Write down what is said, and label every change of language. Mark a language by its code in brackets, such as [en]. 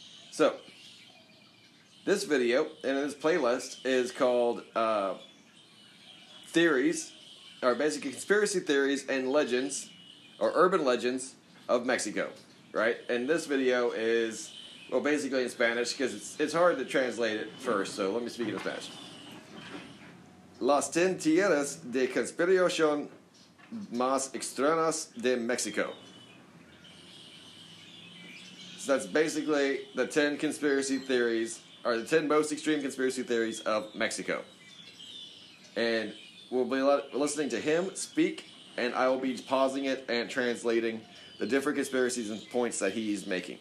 [en] So, this video and this playlist is called Theories, or basically Conspiracy Theories and Legends, or Urban Legends of Mexico, right? And this video is, well, basically in Spanish, because it's hard to translate it first, so let me speak in Spanish. [es] Las 10 Tierras de Conspiración Más Extrañas de Mexico. [en] So that's basically the 10 conspiracy theories, or the 10 most extreme conspiracy theories of Mexico. And we'll be listening to him speak, and I will be pausing it and translating the different conspiracies and points that he's making.